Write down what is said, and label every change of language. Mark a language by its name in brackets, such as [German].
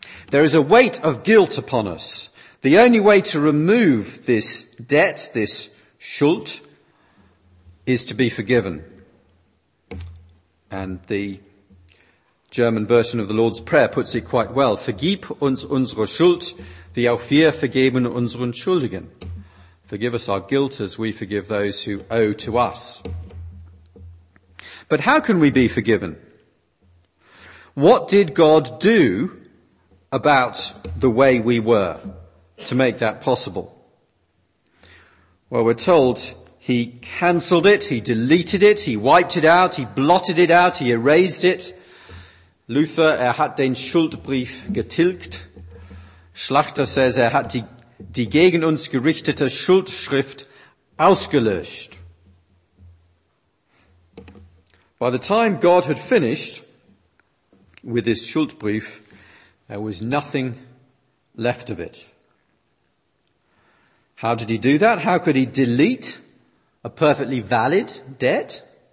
[English] There is a weight of guilt upon us. The only way to remove this debt, this Schuld, is to be forgiven. And the German version of the Lord's Prayer puts it quite well. [German] Vergib uns unsere Schuld, wie auch wir vergeben unseren Schuldigen. [English] Forgive us our guilt as we forgive those who owe to us. But how can we be forgiven? What did God do about the way we were? to make that possible? Well, we're told he cancelled it, he deleted it, he wiped it out, he blotted it out, he erased it. [German] Luther, hat den Schuldbrief getilgt. Schlachter [English] says [German] hat die gegen uns gerichtete Schuldschrift ausgelöscht. [English] By the time God had finished with his Schuldbrief, there was nothing left of it. How did he do that? How could he delete a perfectly valid debt?